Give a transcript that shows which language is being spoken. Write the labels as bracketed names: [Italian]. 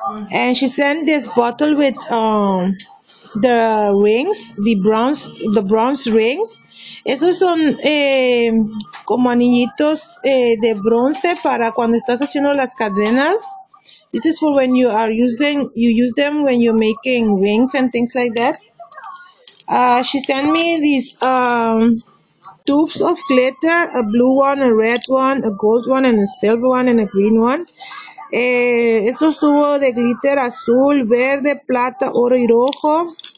[English] And she sent this bottle with the rings, the bronze rings. [Spanish] Esos son como anillitos de bronce para cuando estás haciendo las cadenas. [English] This is for when you are using, you use them when you're making rings and things like that. She sent me these tubes of glitter, a blue one, a red one, a gold one, and a silver one, and a green one. [Spanish] Estos tubos de glitter azul, verde, plata, oro y rojo.